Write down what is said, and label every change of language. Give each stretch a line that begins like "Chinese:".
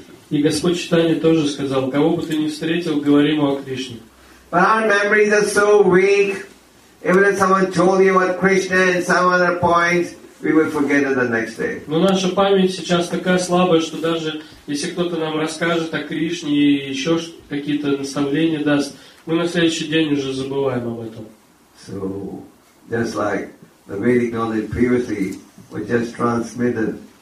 Russian: И Господь Читания тоже сказал, кого бы ты ни встретил, говори ему о Кришне.
English: But our memories are so weak. Even if someone told you about Krishna and some other points, we would forget it the next day.
Russian: Но наша память сейчас такая слабая, что даже если кто-то нам расскажет о Кришне и еще какие-то наставления даст, мы на следующий день уже забываем об этом.
English: So just like the Vedic knowledge previously was just transmitted.